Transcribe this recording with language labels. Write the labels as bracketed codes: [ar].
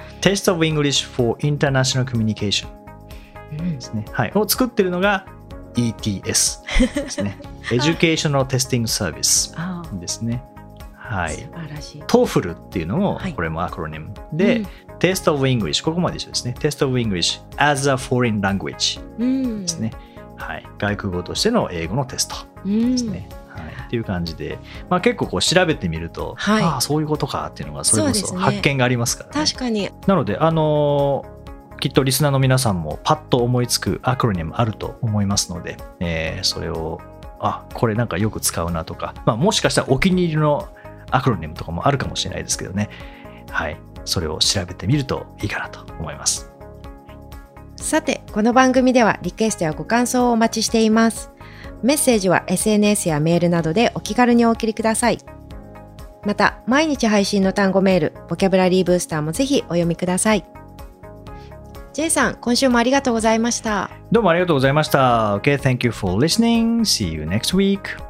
[ja] Test of English for International Communication ですね、はい、を作ってるのが ETS ですね、はい、Educational Testing Service ですね、はい、素晴らしい。 TOEFL っていうのも、はい、これもアクロニムで、うん、Test of English、 ここまで一緒ですね。 Test of English as a foreign language ですね、うん、はい、外国語としての英語のテストですね、うん、はい、っていう感じで、まあ、結構こう調べてみると、はい、ああそういうことかっていうのがそれこそ発見がありますからね。確かに。なので、きっとリスナーの皆さんもパッと思いつくアクロニムあると思いますので、それをあこれなんかよく使うなとか、まあ、もしかしたらお気に入りのアクロニムとかもあるかもしれないですけどね、はい、それを調べてみるといいかなと思います。さて、この番組ではリクエストやご感想をお待ちしています。メッセージは SNS やメールなどでお気軽にお送りください。また毎日配信の単語メールボキャブラリーブースターもぜひお読みください。 J さん、今週もありがとうございました。どうもありがとうございました。 [en] OK, thank you for listening. See you next week.